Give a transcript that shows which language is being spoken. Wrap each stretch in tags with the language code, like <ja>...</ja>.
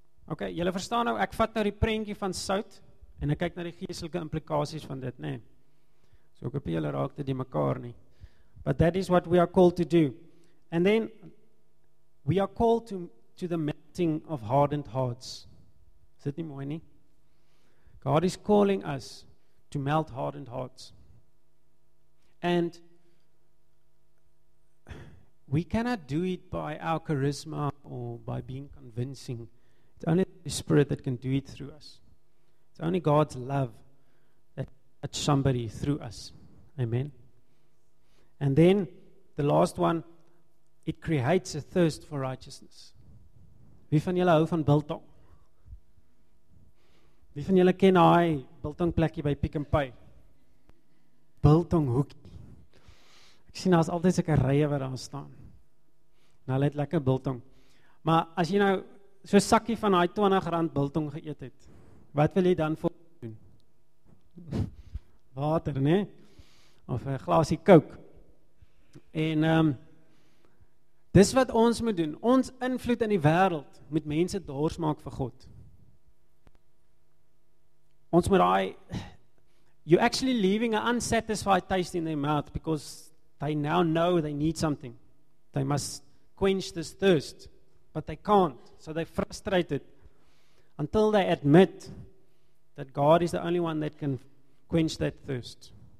<af>Okay, julle verstaan nou, ek vat nou die prentjie van sout en ek kyk na die geestelike implikasies van dit, nee. So ek hoop julle raak dit die mekaar nie.</af> <en>But that is what we are called to do. And then, we are called to to the melting of hardened hearts.</en> <af>Is dit nie mooi nie?</af> <en>God is calling us to melt hardened hearts. And we cannot do it by our charisma or by being convincing. It's only the Spirit that can do it through us. It's only God's love that touches somebody through us. Amen. And then the last one, it creates a thirst for righteousness.</en> <af>Wie van julle hou van biltong? Wie van julle ken daai biltong plekkie by Pick n Pay? Biltong hoekie. Ek sien daar's altyd sulke rye wat daar staan. Nou hulle het lekker biltong. Maar as jy nou so sakkie van daai R20 biltong geëet het, wat wil jy dan voor doen? Water, né? Of 'n glasie Coke. En dis wat ons moet doen. Ons invloed in die wêreld moet mense dors maak vir God. Ons moet daai,</af> <en>you actually leaving an unsatisfied taste in their mouth because they now know they need something. They must quench this thirst, but they can't. So they're frustrated until they admit that God is the only one that can quench that thirst.</en>